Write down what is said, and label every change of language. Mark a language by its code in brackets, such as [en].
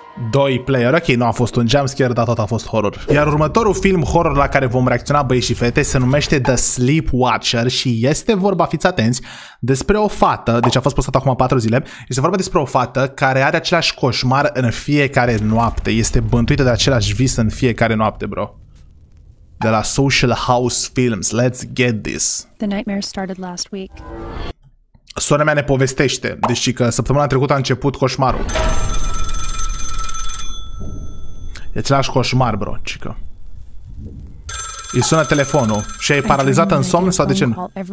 [ro] Doi player, ok, nu a fost un jumpscare, dar tot a fost horror. Iar următorul film horror la care vom reacționa băieți și fete se numește The Sleepwatcher și este vorba, fiți atenți, despre o fată, deci a fost postat acum 4 zile, este vorba despre o fată care are același coșmar în fiecare noapte, este bântuită de același vis în fiecare noapte, bro. De la [en] Social House Films, let's get this. The nightmare started last week. [ro] Sora mea ne povestește, deci că săptămâna trecută a început coșmarul. E același coșmar, bro, cică. Îi sună telefonul și e paralizată în somn sau de ce nu?